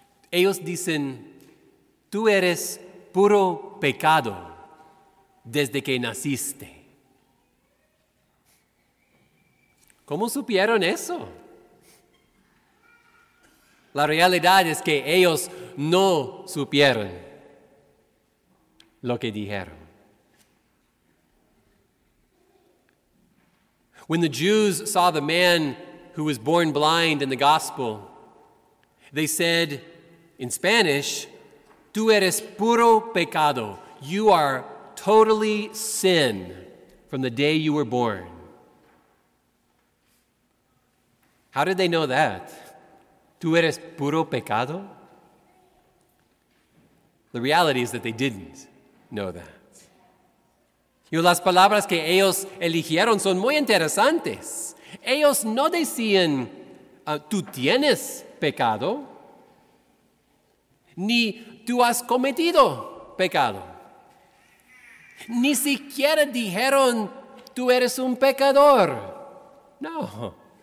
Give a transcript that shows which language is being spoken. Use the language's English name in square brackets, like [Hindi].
[Spanish] Ellos dicen, tú eres puro pecado desde que naciste. ¿Cómo supieron eso? La realidad es que ellos no supieron lo que dijeron. [English] When the Jews saw the man who was born blind in the gospel, they said in Spanish, [Spanish] tú eres puro pecado. [English] You are totally sin from the day you were born. How did they know that? [Spanish] Tú eres puro pecado? [English] The reality is that they didn't know that. [Spanish] Y las palabras que ellos eligieron son muy interesantes. Ellos no decían, tú tienes pecado, ni tú has cometido pecado. Ni siquiera dijeron, tú eres un pecador. No.